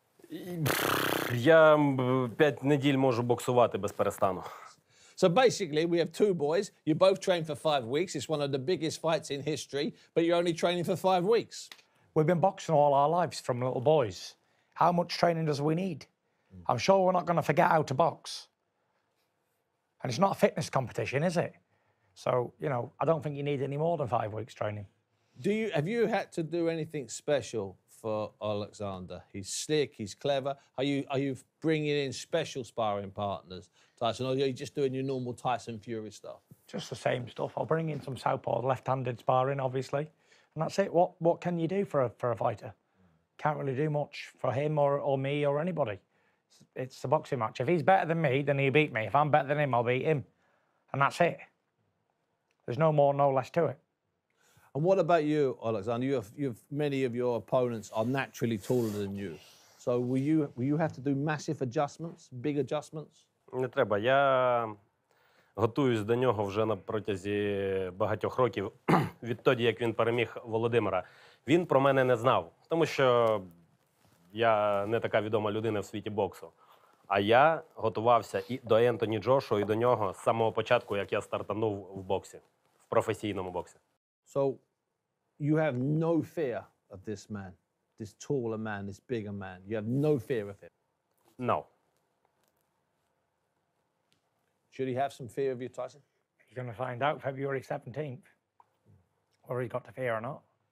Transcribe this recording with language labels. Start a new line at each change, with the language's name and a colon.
Ukrainian: Я 5 недель можу боксувати без перестану.
English: So basically, we have two boys. You both train for 5 weeks. It's one of the biggest fights in history, but you're only training for 5 weeks. We've been boxing all our lives from little boys. How much training does we need? I'm sure we're not going to forget how to box. And it's not a fitness competition, is it? So, you know, I don't think you need any more than 5 weeks training. Have you had to do anything special for Oleksandr? He's slick, he's clever. Are you bringing in special sparring partners, Tyson? Or are you just doing your normal Tyson Fury stuff? Just the same stuff. I'll bring in some southpaw left-handed sparring, obviously. And that's it. What can you do for a fighter? Can't really do much for him or me or anybody. It's a boxing match. If he's better than me, then he'll beat me. If I'm better than him, I'll beat him. And that's it. There's no more, no less to it. And what about you, Oleksandr? You have many of your opponents are naturally taller than you. So will you have to do massive adjustments, big adjustments?
Ukrainian: Не треба. Я готуюсь до нього вже на протязі багатьох років. Відтоді, як він переміг Володимира, він про мене не знав, тому що я не така відома людина в світі боксу. А я готувався і до Ентоні Джошуа, і до нього з самого початку, як я стартанув в боксі, в професійному боксі.
English: So, you have no fear of this man, this taller man, this bigger man. You have no fear of him? No. Should he have some fear of you, Tyson? He's going to find out February 17th. Or he got to fear or not.